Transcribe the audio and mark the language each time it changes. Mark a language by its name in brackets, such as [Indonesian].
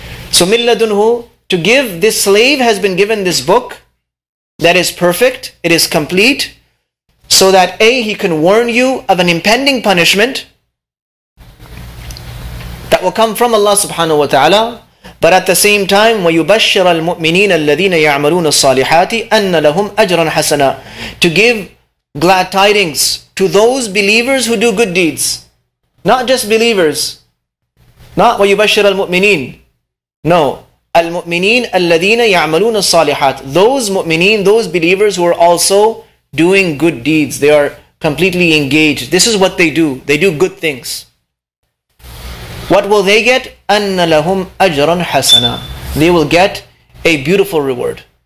[English] So مِنْ لَدُنْهُ, to give, this slave has been given this book that is perfect, it is complete, so that A, he can warn you of an impending punishment that will come from Allah subhanahu wa ta'ala, [Arabic] But at the same time, وَيُبَشِّرَ الْمُؤْمِنِينَ الَّذِينَ يَعْمَلُونَ الصَّالِحَاتِ أَنَّ لَهُمْ أَجْرًا حَسَنًا. [English] To give glad tidings to those believers who do good deeds. Not just believers. [Arabic] Not وَيُبَشِّرَ الْمُؤْمِنِينَ. No. الْمُؤْمِنِينَ الَّذِينَ يَعْمَلُونَ الصَّالِحَاتِ. [English] Those mu'mineen, those believers who are also doing good deeds. They are completely engaged. This is what they do. They do good things. What will they get? [Arabic] أَنَّ لَهُمْ أَجْرًا حَسَنًا. [English] They will get a beautiful reward.